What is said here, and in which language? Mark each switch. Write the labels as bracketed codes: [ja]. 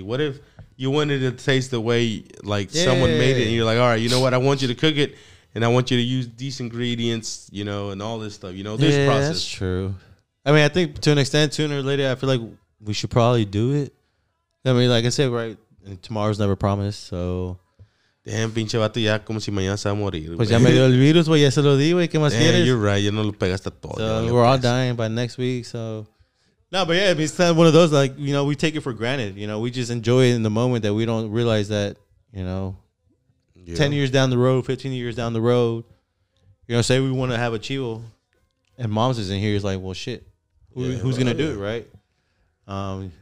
[en] What if you wanted to taste the way like someone made it and you're like, all right, you know what? I want you to cook it and I want you to use these ingredients, you know, and all this stuff, you know, this process. That's true. I mean, I think to an extent, sooner or later, I feel like we should probably do it. I mean, like I said, right, tomorrow's never promised, so. [es] Damn, pinche vato, ya como si mañana se va a morir. Pues ya me dio el virus, güey, ya se lo di, güey, ¿qué más quieres? [en] You're right, [es] ya no lo pegaste todo. [en] So we're all dying by next week, so. No, but yeah, I mean, it's one of those, like, you know, we take it for granted. You know, we just enjoy it in the moment that we don't realize that, you know, yeah. 10 years down the road, 15 years down the road, you know, say we want to have a chivo and mom's isn't here. It's like, well, shit, who's going to do it, right?